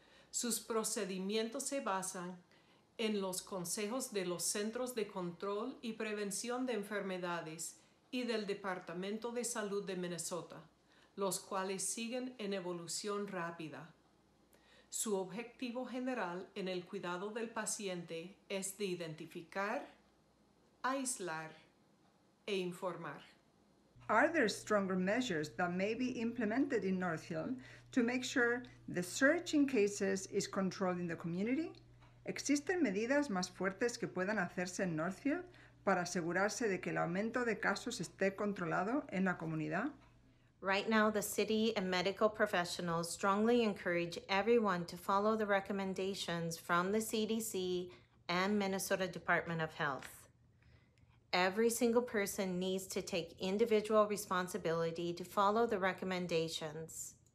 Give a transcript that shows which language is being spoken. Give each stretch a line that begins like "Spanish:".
Spanish: Sus procedimientos se basan en los consejos de los Centros de Control y Prevención de Enfermedades y del Departamento de Salud de Minnesota, los cuales siguen en evolución rápida. Su objetivo general en el cuidado del paciente es de identificar, aislar e informar.
English: Are there stronger measures that may be implemented in Northfield to make sure the surge in cases is controlled in the community?
Spanish: ¿Existen medidas más fuertes que puedan hacerse en Northfield para asegurarse de que el aumento de casos esté controlado en la comunidad?
English: Right now, the city and medical professionals strongly encourage everyone to follow the recommendations from the CDC and Minnesota Department of Health. Every single person needs to take individual responsibility to follow the recommendations.